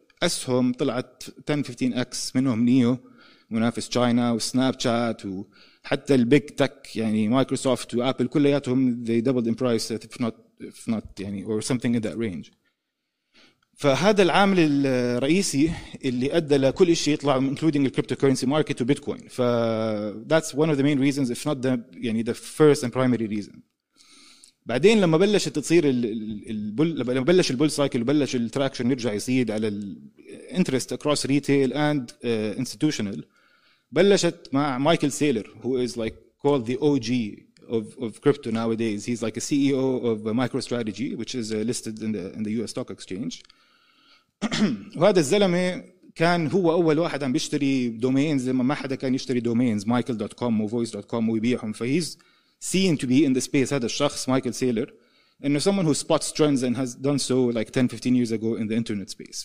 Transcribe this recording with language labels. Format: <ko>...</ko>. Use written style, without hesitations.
<ar>أسهم طلعت 10-15x منهم نيو منافس تشاينا وسناب شات وحتى البيج تك يعني مايكروسوفت وآبل كلياتهم</ar> <en>they doubled in price if not</en> <ar>يعني</ar> <en>or something in that range.</en> <ar>فهذا العامل الرئيسي اللي أدى لكل شيء يطلع</ar> <en>including the cryptocurrency market to Bitcoin. ف that's one of the main reasons if not the</en> <ar>يعني</ar> <en>the first and primary reason.</en> <ar>بعدين لما بلشت تصير لما بلش البول سايكل وبلش التراكشن يرجع يزيد على الانترست</ar> <en>across retail and institutional</en> <ar>بلشت مع مايكل سيلر</ar> <en>who is like called the OG of crypto nowadays. He's like a CEO of MicroStrategy which is listed in the US stock exchange.</en> <ar>وهذا الزلمة كان هو أول واحد عم بيشتري دومينز لما ما حدا كان يشتري دومينز michael.com وvoice.com ويبيعهم.</ar> <en>فهيز seen to be in the space</en> <ar>هذا الشخص مايكل سيلر إنه</ar> <en>someone who spots trends and has done so like 10-15 years ago in the internet space.</en>